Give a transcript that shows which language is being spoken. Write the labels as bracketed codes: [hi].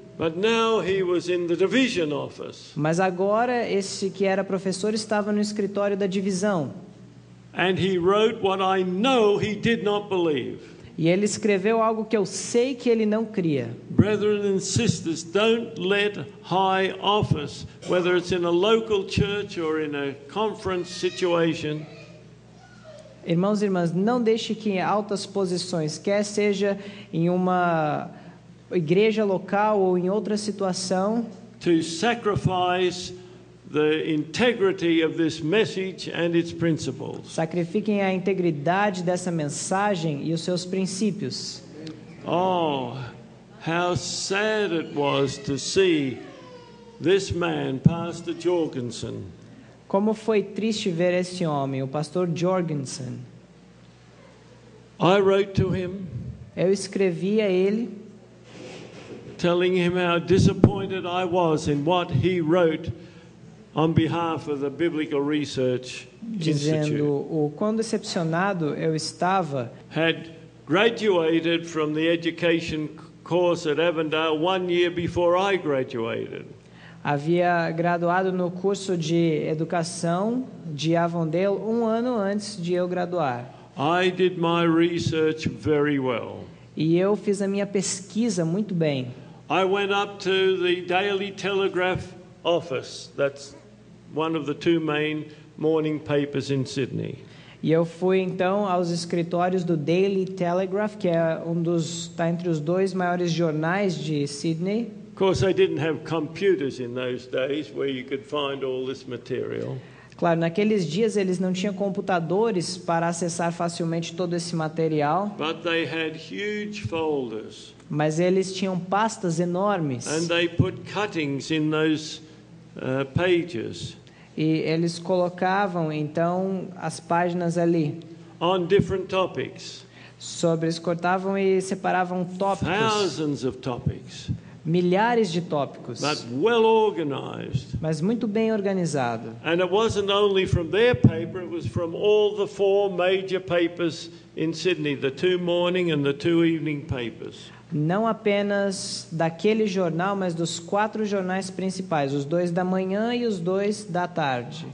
[en] But now he was in the division office. [pt] Mas agora esse que era professor estava no escritório da divisão. [en] And he wrote what I know he did not believe. [pt] E ele escreveu algo que eu sei que ele não cria. [en] Brethren and sisters, don't let high office, whether it's in a local church or in a conference situation. [pt] Irmãos e irmãs, não deixe que em altas posições, quer seja em uma igreja local ou em outra situação, [en] to sacrifice the integrity of this message and its principles. [pt] Sacrifiquem a integridade dessa mensagem e os seus princípios. [en] Oh, how sad it was to see this man, Pastor Jorgensen. [pt] Como foi triste ver esse homem, o Pastor Jorgensen. [en] I wrote to him. [pt] Eu escrevi a ele. [en] Telling him how disappointed I was in what he wrote on behalf of the Biblical Research Institute. [pt] Dizendo o quão decepcionado eu estava. [en] Had graduated from the education course at Avondale 1 year before I graduated. [pt] Havia graduado no curso de educação de Avondale 1 ano antes de eu graduar. [en] I did my research very well. [pt] E eu fiz a minha pesquisa muito bem. [en] I went up to the Daily Telegraph office. That's one of the two main morning papers in Sydney. [pt] E eu fui então aos escritórios do Daily Telegraph, que é está entre os dois maiores jornais de Sydney. [en] Of course, they didn't have computers in those days where you could find all this material. [pt] Claro, naqueles dias eles não tinham computadores para acessar facilmente todo esse material. [en] But they had huge folders. [pt] Mas eles tinham pastas enormes. [en] And they put cuttings in those pages. [pt] E eles colocavam então as páginas ali. [en] On different topics. [pt] Sobre, eles cortavam e separavam tópicos. [en] Thousands of topics. [pt] Milhares de tópicos. [en] But well organized. [pt] Mas muito bem organizado. [en] And it wasn't only from their paper, it was from all the 4 major papers in Sydney, the 2 morning and the 2 evening papers. [pt] Não apenas daquele jornal, mas dos 4 jornais principais, os 2 da manhã e os 2 da tarde.